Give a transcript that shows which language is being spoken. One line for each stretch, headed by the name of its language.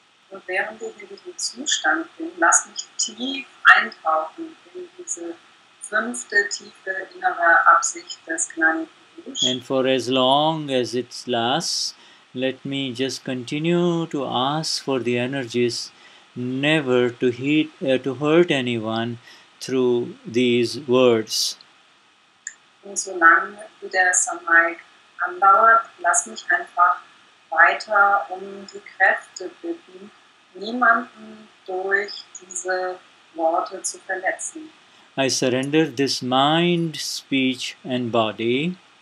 German: Und während du in diesem Zustand bist, lass mich tief eintauchen in diese fünfte tiefe innere Absicht des Gnani Purush.
English: And for as long as it lasts, let me just continue to ask for the energies never to hurt anyone through these words.
German: Und solange der Samayik andauert, lass mich einfach weiter um die Kräfte bitten, niemanden durch diese Worte zu verletzen.
English: I surrender this mind, speech and body.